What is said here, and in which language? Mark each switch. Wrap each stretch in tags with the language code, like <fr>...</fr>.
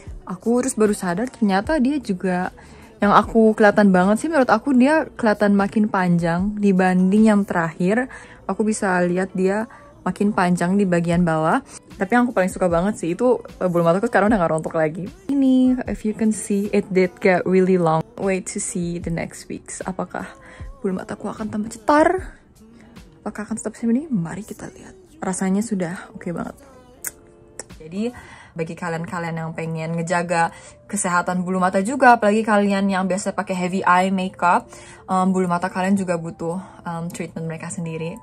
<id>Aku terus baru sadar ternyata dia juga, yang aku kelihatan banget sih menurut aku, dia kelihatan makin panjang dibanding yang terakhir. Aku bisa lihat dia makin panjang di bagian bawah. Tapi yang aku paling suka banget sih itu bulu mataku sekarang udah gak rontok lagi.</id> <en>Ini, if you can see, it did get really long. Wait to see the next weeks.</en> <id>Apakah bulu mataku akan tambah cetar? Apakah akan tetap seperti ini? Mari kita lihat. Rasanya sudah oke banget. Jadi bagi kalian-kalian yang pengen ngejaga kesehatan bulu mata juga, apalagi kalian yang biasa pakai heavy eye makeup, bulu mata kalian juga butuh treatment mereka sendiri.</id>